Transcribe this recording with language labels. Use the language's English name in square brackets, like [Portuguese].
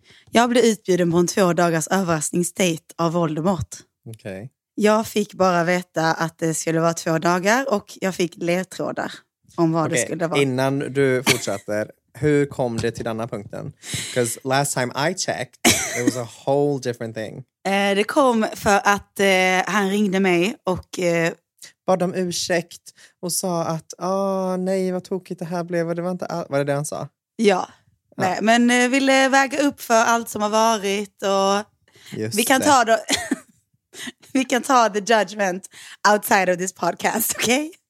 [Swedish] Jag blev utbjuden på en 2 dagars överraskningsdejt av Voldemort. Okej. [English] Okay. [Swedish] Jag fick bara veta att det skulle vara 2 dagar och jag fick ledtrådar om vad okay. Det skulle vara. Innan du fortsätter, hur kom det till denna punkten? [English] Because last time I checked, it was a whole different thing. [Swedish] Det kom för att han ringde mig och bad om ursäkt och sa att nej, vad tokigt det här blev, det var inte var det det han sa? Ja. Nej, men ville väga upp för allt som har varit och just vi kan det. Ta då vi kan ta [English] the judgment outside of this podcast, [Swedish] okej?